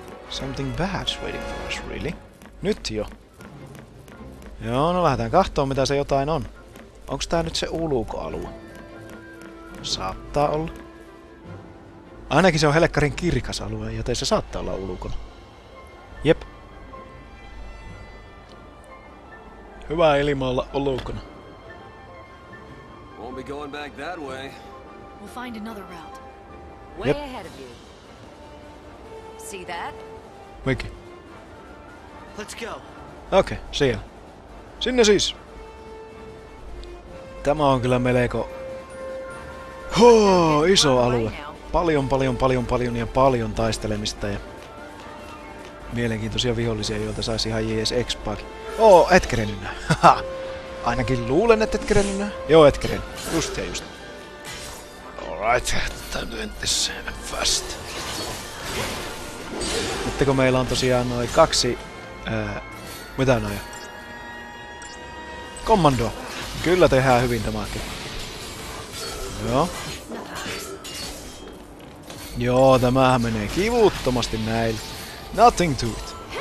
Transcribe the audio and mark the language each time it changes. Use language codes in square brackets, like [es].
[en] Something bad's waiting for us, really? [fi] Nyt jo. Joo, no lähdetään kahtoon, mitä se jotain on. Onks tää nyt se ulkoalue? Saattaa olla. Ainakin se on helkkarin kirkas alue, joten se saattaa olla ulkona. Jep. Hyvä ilma olla ulkona. [en] Won't be going back that way. We'll find another route. Way ahead of you. See that? Mikki. Let's go. [fi] Okei, siellä. Sinne siis. Tämä on kyllä melko iso alue. Paljon ja paljon taistelemista ja mielenkiintoisia vihollisia, joita saisi ihan jees expaakin. Oo, et kerennyt nää. Ainakin luulen, että et kerennyt nää. Joo, et kerennyt. Just ja just. [en] Alright, time to end this fast. [fi] Nyt kun meillä on tosiaan noin kaksi... mitä noja? Kommando. Kyllä tehdään hyvin tämäkin. Joo. Joo, tämähän menee kivuttomasti näille. [en] Nothing to it.